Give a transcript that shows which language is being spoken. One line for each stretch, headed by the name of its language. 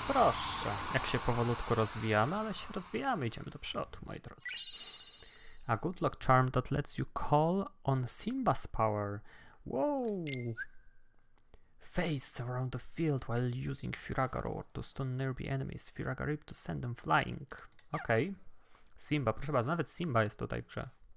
Polish: Proszę. Jak się powolutku rozwijamy, ale się rozwijamy. Idziemy do przodu, moi drodzy.
English: A good luck charm that lets you call on Simba's power. Whoa! Phase around the field while using Furaga Roar to stun nearby enemies. Furaga Rip to send them flying. Okej. Okay.
Polish: Simba, proszę bardzo, nawet Simba jest tutaj w grze.